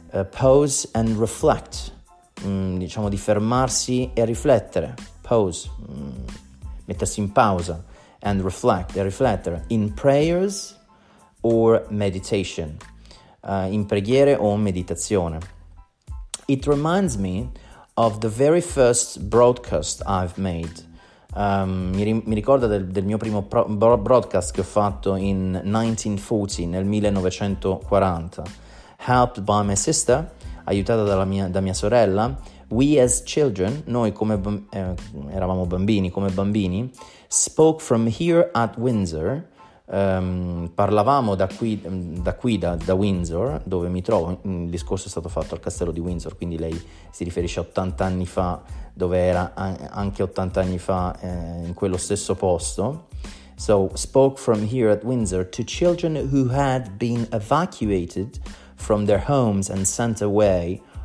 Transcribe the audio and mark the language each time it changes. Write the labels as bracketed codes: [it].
[en] Pause and reflect, [it] di fermarsi e riflettere. Pause, mettersi in pausa, [en] and reflect, [it] e riflettere. [en] In prayers or meditation. [it] In preghiere o meditazione. [en] It reminds me of the very first broadcast I've made. [it] Mi ricorda del mio primo broadcast che ho fatto in 1940, nel 1940. [en] Helped by my sister, [it] aiutata da mia sorella, [en] we as children, [it] noi come eravamo bambini, come bambini, [en] spoke from here at Windsor. [it] Parlavamo da Windsor, dove mi trovo. Il discorso è stato fatto al castello di Windsor, quindi lei si riferisce a 80 anni fa, dove era anche 80 anni fa in quello stesso posto. [en] So spoke from here at Windsor to children who had been evacuated from their homes and sent away